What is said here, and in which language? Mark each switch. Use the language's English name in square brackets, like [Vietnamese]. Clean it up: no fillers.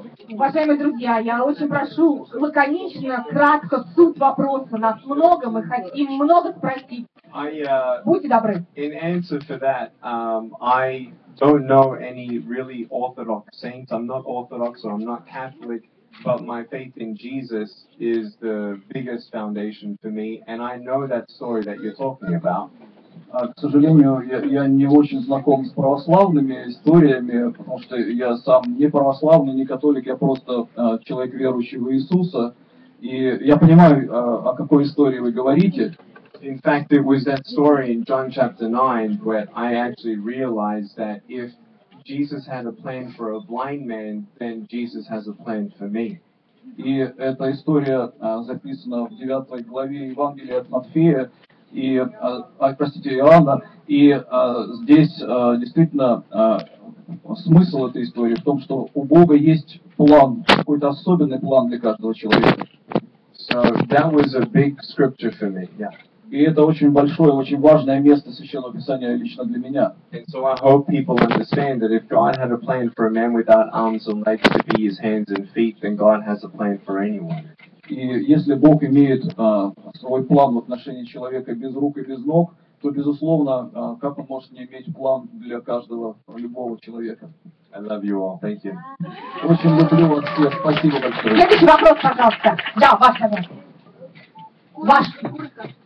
[Russian] Уважаемые друзья, я очень прошу лаконично, кратко, суть вопроса. Нас много, мы хотим много спросить. Будьте добры. [English] In answer for that, I don't know any really orthodox saints. I'm not orthodox, or I'm not Catholic. But my faith in Jesus is the biggest foundation for me, and I know that story that you're talking about. [Russian] К сожалению, я не очень знаком с православными историями, потому что я сам не православный, не католик, я просто человек верующий в Иисуса, и я понимаю, о какой истории вы говорите. [English] In fact, it was that story in John chapter 9 where I actually realized that if Jesus had a plan for a blind man, then Jesus has a plan for me. [Russian] И эта история записана в 9 главе Евангелия от Матфея и простите, Иоанна, и здесь действительно смысл этой истории в том, что у Бога есть план, какой-то особенный план для каждого человека. [English] So that was a big scripture for me. Yeah. [Russian] И это очень большое, очень важное место Священного Писания лично для меня. [English] And so I hope people understand that if God had a plan for a man without arms and legs to be his hands and feet, then God has a plan for anyone. [Russian] И если Бог имеет свой план в отношении человека без рук и без ног, то безусловно, как он может не иметь план для каждого любого человека? [English] I love you all. Thank you. [Russian] Очень люблю вас всех. Спасибо большое. Следующий вопрос, пожалуйста. Да, ваш вопрос. Ваш.